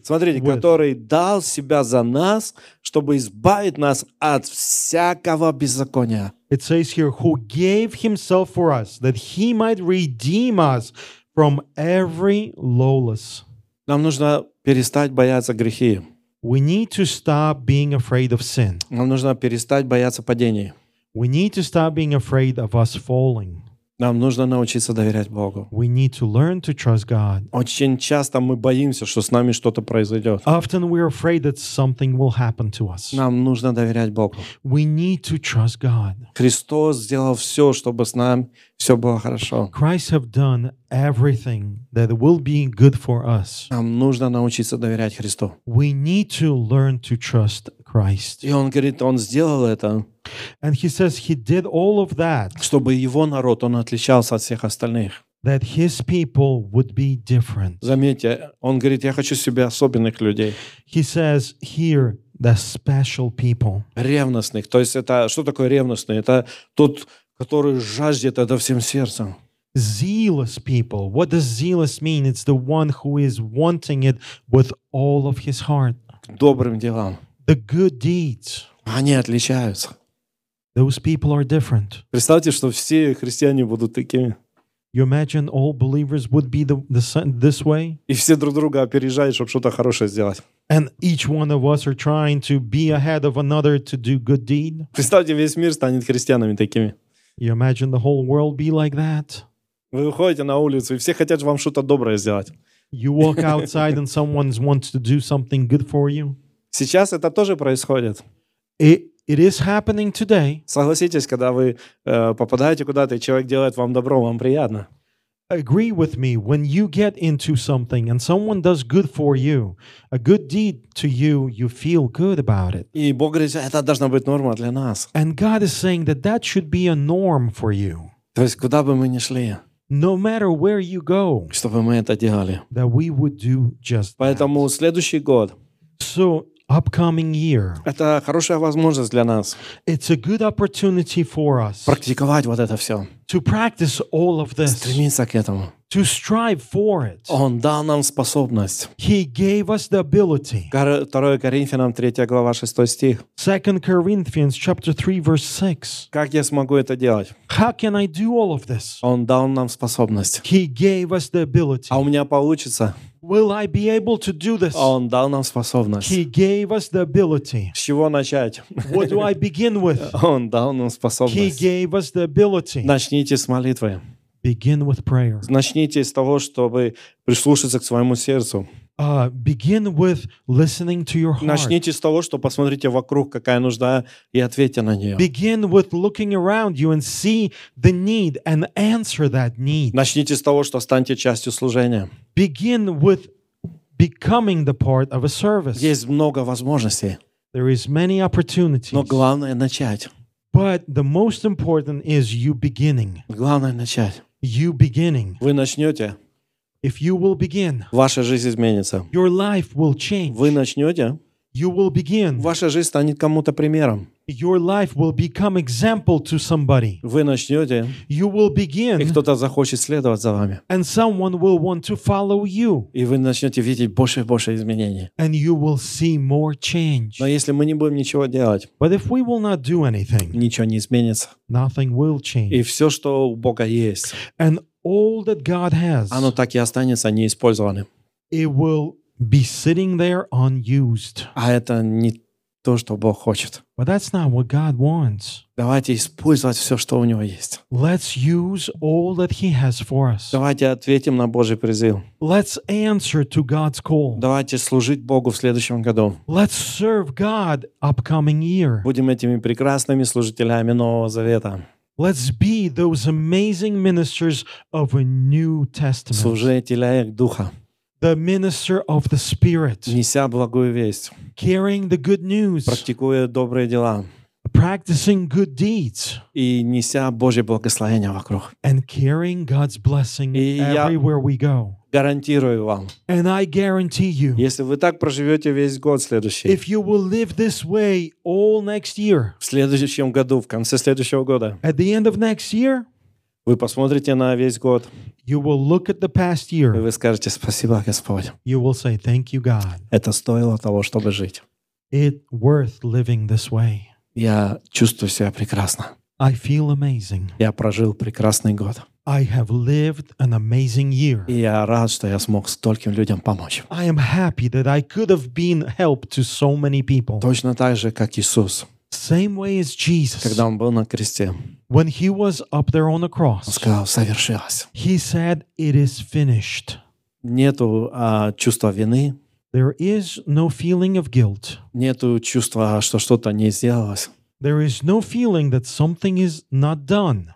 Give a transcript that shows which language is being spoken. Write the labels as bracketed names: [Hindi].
[Russian] Смотрите, который дал себя за нас, чтобы избавить нас от всякого беззакония. [English] It says here, who gave himself for us, that he might redeem us from every lawless. [Russian] Нам нужно перестать бояться грехи. [English] We need to stop being afraid of sin. [Russian] Нам нужно перестать бояться падения. [English] We need to stop being afraid of us falling. [Russian] Нам нужно научиться доверять Богу. [English] We need to learn to trust God. [Russian] Очень часто мы боимся, что с нами что-то произойдет. [English] Often we're afraid that something will happen to us. [Russian] Нам нужно доверять Богу. [English] We need to trust God. [Russian] Христос сделал все, чтобы с нами все было хорошо. [English] Christ have done everything that will be good for us. [Russian] Нам нужно научиться доверять Христу. [English] We need to learn to trust Christ. [Russian] И он говорит, он сделал это. [English] And he says he did all of that. [Russian] Чтобы его народ он отличался от всех остальных. [English] That his people would be different. [Russian] Заметьте, он говорит, я хочу себе особенных людей. [English] He says here the special people. [Russian] Ревностных. То есть это что такое ревностный? Это тот, который жаждет это всем сердцем. [English] Zealous people. What does zealous mean? It's the one who is wanting it with all of his heart. [Russian] К добрым делам. [English] The good deeds. [Russian] Они отличаются. [English] Those people are different. [Russian] Представьте, что все христиане будут такими. [English] You imagine all believers would be this way? [Russian] И все друг друга опережают, чтобы что-то хорошее сделать. [English] And each one of us are trying to be ahead of another to do good deed? [Russian] Представьте, весь мир станет христианами такими. [English] You imagine the whole world be like that? [Russian] Вы выходите на улицу, и все хотят вам что-то доброе сделать. [English] You walk outside and someone wants to do something good for you? [Russian] Сейчас это тоже происходит. [English] It is happening today. [Russian] Согласитесь, когда вы попадаете куда-то, и человек делает вам добро, вам приятно. [English] Agree with me, when you get into something and someone does good for you, a good deed to you, you feel good about it. [Russian] И Бог говорит, это должна быть норма для нас. [English] And God is saying that that should be a norm for you. [Russian] То есть куда бы мы ни шли, [English] no matter where you go, [Russian] чтобы мы это делали. [English] That we would do just [Russian] поэтому [English] that. [Russian] Следующий год. [English] So upcoming year. [Russian] Это хорошая возможность для нас. [English] It's a good opportunity for us. [Russian] Практиковать вот это все. [English] To practice all of this. [Russian] Стремиться к этому. [English] To strive for it. [Russian] Он дал нам способность. [English] He gave us the ability. [Russian] 2 Коринфянам 3 глава 6 стих. [English] 2 Corinthians chapter 3 verse 6. [Russian] Как я смогу это делать? [English] How can I do all of this? [Russian] Он дал нам способность. [English] He gave us the ability. [Russian] А у меня получится? [English] Will I be able to do this? [Russian] Он дал нам способность. [English] He gave us the ability. [Russian] С чего начать? [English] What do I begin with? [Russian] Он дал нам способность. [English] He gave us the ability. [Russian] Начните с молитвы. [English] Begin with prayer. [Russian] Начните с того, чтобы прислушаться к своему сердцу. [English] Begin with listening to your heart. [Russian] Начните с того, что посмотрите вокруг, какая нужда, и ответьте на нее. [English] Begin with looking around you and see the need and answer that need. [Russian] Начните с того, что станьте частью служения. [English] Begin with becoming the part of a service. [Russian] Есть много возможностей. [English] There is many opportunities. [Russian] Но главное — начать. [English] But the most important is you beginning. [Russian] Главное начать. [English] You beginning. [Russian] Вы начнете. [English] If you will begin. [Russian] Ваша жизнь изменится. [English] Your life will change. [Russian] Вы начнете. [English] You will begin. [Russian] Ваша жизнь станет кому-то примером. [English] Your life will become example to somebody. [Russian] Вы начнете. [English] You will begin. [Russian] И кто-то захочет следовать за вами. [English] And someone will want to follow you. [Russian] И вы начнете видеть больше и больше изменений. [English] And you will see more change. [Russian] Но если мы не будем ничего делать, [English] but if we will not do anything, [Russian] ничего не изменится. [English] Nothing will change. [Russian] И все, что у Бога есть, [English] and all that God has, [Russian] оно так и останется неиспользованным. [English] It will be sitting there unused. [Russian] А это не то, что Бог хочет. [English] But that's not what God wants. [Russian] Давайте использовать все, что у Него есть. [English] Let's use all that He has for us. [Russian] Давайте ответим на Божий призыв. [English] Let's answer to God's call. [Russian] Давайте служить Богу в следующем году. [English] Let's serve God upcoming year. [Russian] Будем этими прекрасными служителями Нового Завета. [English] Let's be those amazing ministers of a New Testament. [Russian] Служителя духа. [English] The minister of the Spirit. [Russian] Неся благую весть. [English] Carrying the good news. [Russian] Практикуя добрые дела. [English] Practicing good deeds. [Russian] И неся Божье благословение вокруг. [English] And carrying God's blessing everywhere we go. [Russian] Гарантирую вам. [English] And I guarantee you. [Russian] Если вы так проживёте весь год следующий. [English] If you will live this way all next year. [Russian] В следующем году, в конце следующего года. [English] At the end of next year. [Russian] Вы посмотрите на весь год. [English] You will look at the past year. [Russian] И вы скажете: спасибо, Господь. [English] You will say thank you, God. [Russian] Это стоило того, чтобы жить. [English] It worth living this way. [Russian] Я чувствую себя прекрасно. [English] I feel amazing. [Russian] Я прожил прекрасный год. [English] I have lived an amazing year. [Russian] И я рад, что я смог стольким людям помочь. [English] I am happy that I could have been help to so many people. [Russian] Точно так же, как Иисус. [English] Same way as Jesus. [Russian] Когда он был на кресте. [English] When he was up there on the cross. [Russian] Он сказал: совершилось. [English] He said, it is finished. [Russian] Нету чувства вины. [English] There is no feeling of guilt. [Russian] Нету чувства, что что-то не сделалось. [English] There is no feeling that something is not done.